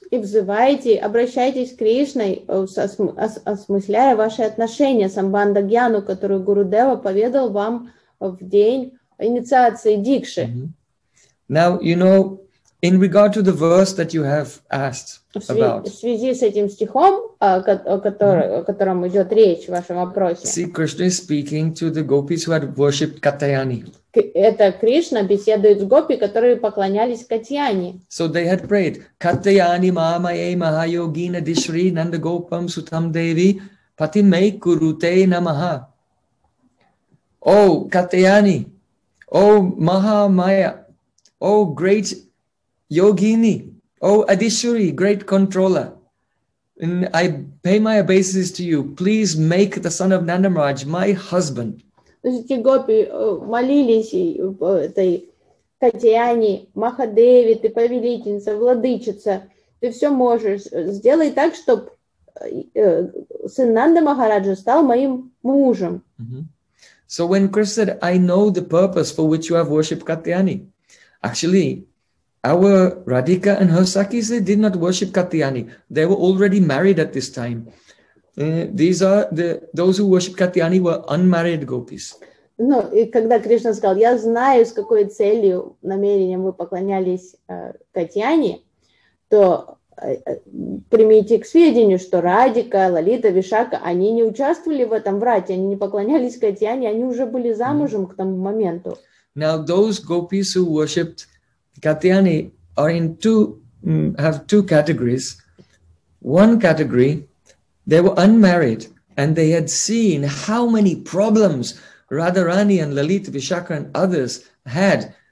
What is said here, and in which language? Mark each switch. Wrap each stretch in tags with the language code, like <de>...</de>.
<ru>И взывайте, обращайтесь к Кришне, осмысляя ваши отношения, самбандха гьяну, которую Гурудева поведал вам в день инициации Дикши.</ru> <en>Now, you know, In regard to the verse that you have asked about.</en> <ru>В связи с этим стихом, о котором идет речь в вашем вопросе.</ru> <en>See, Krishna is speaking to the gopis who had worshipped Katayani.</en> <ru>Это Кришна беседует с гопи, которые поклонялись Катьяне.</ru> <en>So they had prayed,</en> <sa>Katayani mamaye mahayogina dishri nandagopam sutam devi patime kurute namaha.</sa> <en>O Katayani, O Mahamaya, O great Yogini, oh Adishuri, great controller, and I pay my obeisances to you. Please make the son of Nandamaraj my husband.</en> <ru>Эти гопи молились этой Катьяне, Махадеве, ты повелительница, владычица, ты все можешь. Сделай так, чтобы сын Нандамахараджа стал моим мужем.</ru> <en>So when Krishna said, I know the purpose for which you have worshipped Katayani. Actually, our Radhika and her Sakis, they did not worship Katayani. They were already married at this time. These are the those who worship Katayani were unmarried gopis.</en> <ru>Ну, и когда Кришна сказал, я знаю, с какой целью, намерением вы поклонялись Катьяне, то примите к сведению, что Радика, Лалита, Вишака, они не участвовали в этом врате, они не поклонялись Катьяне, они уже были замужем к тому моменту.</ru> <en>Now, those gopis who worshipped Katayani are in two, have two categories. One category, they were unmarried and they had seen how many problems Radharani and Lalita, Vishaka and others had.</en>